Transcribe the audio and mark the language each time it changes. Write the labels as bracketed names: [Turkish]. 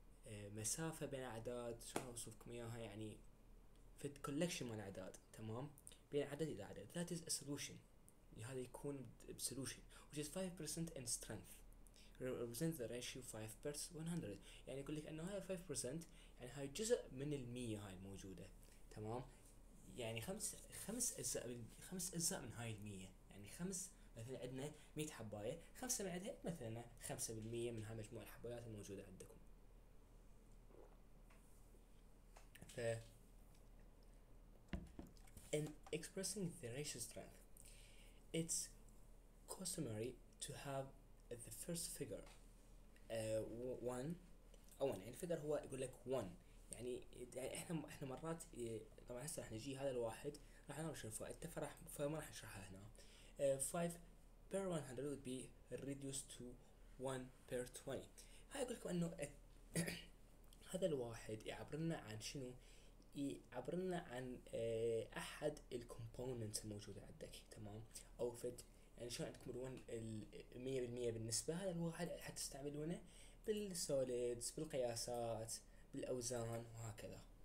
[Arabic] مسافة بين أعداد، شو أوصفكم إياها، يعني فد كولكشن من أعداد، تمام، بين عدد إلى عدد. [English] That is a solution، [Arabic] هذا يكون [English] solution which is 5% in strength represents the ratio 5 per 100. [Arabic] يعني يقول لك أنه هاي 5% يعني هاي جزء من المية هاي الموجودة، تمام، يعني خمس أجزاء من هاي المية، يعني خمس مثلا عندنا 100 حباية، خمسة من عندها مثلا 5% من هاي مجموع الحبايات الموجودة عندكم. [English] In expressing the ratio strength, it's customary to have the first figure one. [Arabic] يعني الفيجر هو يقول لك one، يعني احنا مرات طبعا هسه راح نجي هذا الواحد راح نشوفه التفرح، فما راح نشرحها هنا. [English] 5 per 100 would be reduced to 1 per 20. [Arabic] هاي يقول لكم انه هذا الواحد يعبر لنا عن شنو، يعبر لنا عن احد الكومبوننتس الموجوده عندك، تمام، او فد يعني شلون عندكم ال 100% بالنسبه، هذا الواحد حتستعملونه بالسوليدز بالقياسات بالاوزان وهكذا.